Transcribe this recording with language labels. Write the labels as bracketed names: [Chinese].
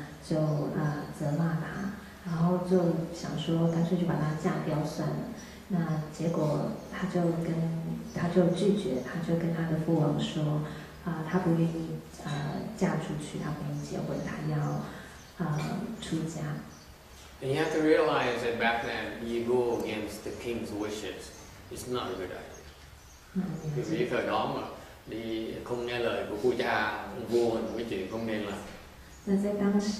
[Chinese] 那苗生公主呢，因为不爱化妆打扮呢，那所以她就叫跟随她的人呢，也都不化妆打扮，都很朴素。那这个国王就很不高兴啊，就责骂她。然后就想说干脆就把她嫁掉算了，那结果她就跟她就拒绝，她就跟她的父王说，她不愿意嫁出去，她不愿意结婚，她要出家。 [English] And you have to realize that back then you go against the king's wishes, it's not a good idea. [Vietnamese] Vì thời đó mà đi không nghe lời của cha, vua cái chuyện không nên làm.